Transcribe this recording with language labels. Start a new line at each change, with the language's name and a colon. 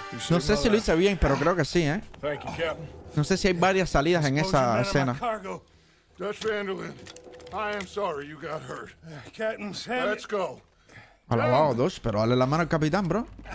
Spanish: No sé si lo hice bien, pero creo que sí, ¿eh?
English: Thank you, Captain.
Spanish: No sé si hay varias salidas en esa escena.
English: Dutch Vanderlyn, I am sorry you got hurt. Captain Sam. Let's go.
Spanish: Alabado, Dutch, pero dale la mano al capitán, bro.